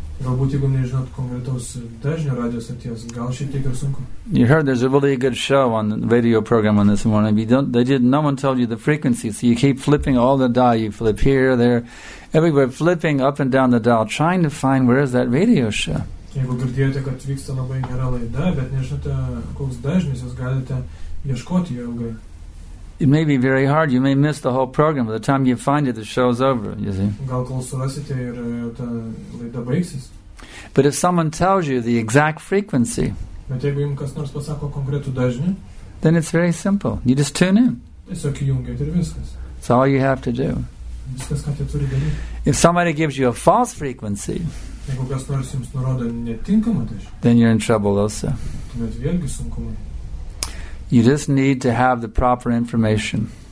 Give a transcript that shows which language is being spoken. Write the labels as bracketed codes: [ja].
[en] You heard there's a really good show on the radio program on this morning. No one told you the frequency, so you keep flipping all the dial. You flip here, there, everywhere, flipping up and down the dial, trying to find where is that radio show. [lt] Jeigu girdėjote, kad vyksta labai gera laida, bet nežinote, koks dažnis, jūs galite ieškoti jo ilgai. [en] It may be very hard. You may miss the whole program. By the time you find it, the show is over, you see. [lt] Gal kol surasite ir ta laida baigsis. [en] But if someone tells you the exact frequency, [lt] bet jeigu jums kas nors pasako konkretų dažnį, [en] then it's very simple. You just tune in. [lt] Tiesiog įjungiate ir viskas. [en] It's all you have to do. [lt] Viskas, ką tie turi daryti. [en] If somebody gives you a false frequency, [lt] jeigu kas nors jums nurodo netinkamą dažnį, [en] then you're in trouble also. [lt] Tuomet vėlgi sunkumai. [en] You just need to have the proper information.